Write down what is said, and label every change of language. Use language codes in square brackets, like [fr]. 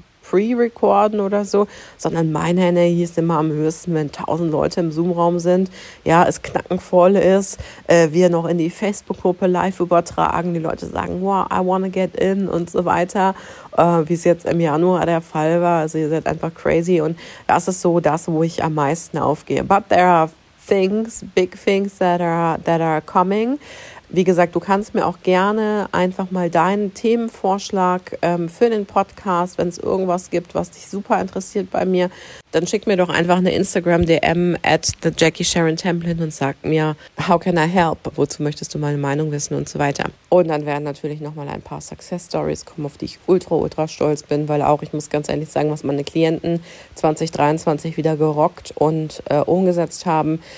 [de] pre-recorden oder so, sondern mein Handy hieß immer am höchsten, wenn 1000 Leute im Zoom-Raum sind, ja, es knackenvoll ist, wir noch in die Facebook-Gruppe live übertragen, die Leute sagen, wow, [en] I wanna get in [de] und so weiter, wie es jetzt im Januar der Fall war, also ihr seid einfach crazy und das ist so das, wo ich am meisten aufgehe. [en] But there are things, big things that are coming. [de] Wie gesagt, du kannst mir auch gerne einfach mal deinen Themenvorschlag für den Podcast, wenn es irgendwas gibt, was dich super interessiert bei mir, dann schick mir doch einfach eine Instagram-DM @thejackiesharontemplin und sag mir, [en] how can I help? [de] Wozu möchtest du meine Meinung wissen und so weiter. Und dann werden natürlich nochmal ein paar Success-Stories kommen, auf die ich ultra, ultra stolz bin, weil auch, ich muss ganz ehrlich sagen, was meine Klienten 2023 wieder gerockt und umgesetzt haben.